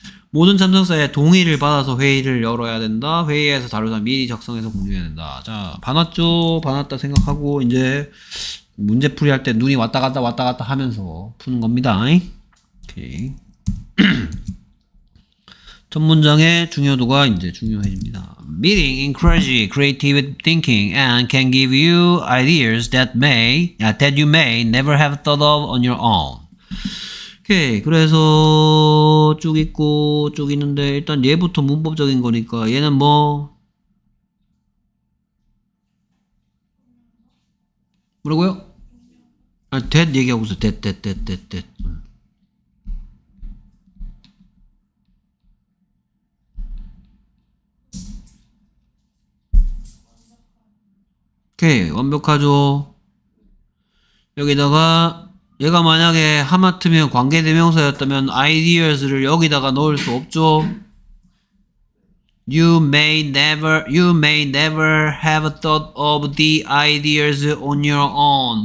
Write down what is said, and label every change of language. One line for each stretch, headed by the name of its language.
Korean: 모든 참석사의 동의를 받아서 회의를 열어야 된다. 회의에서 다른 사람 미리 작성해서 공유해야 된다. 자, 반왔죠? 반왔다 생각하고 이제 문제풀이 할 때 눈이 왔다 갔다 왔다 갔다 하면서 푸는 겁니다. 오케이. 첫 문장의 중요도가 이제 중요해집니다.
English: Meeting encourages creative thinking and can give you ideas that you may never have thought of on your own.
Korean: 오케이. 그래서 쭉 있고 쭉 있는데 일단 얘부터 문법적인 거니까 얘는 뭐 뭐라고요? 아, that 얘기하고 있어. that. 오케이. 완벽하죠. 여기다가 얘가 만약에 하마터면 관계대명사였다면 ideas를 여기다가 넣을 수 없죠.
English: You may never have thought of the ideas on your own.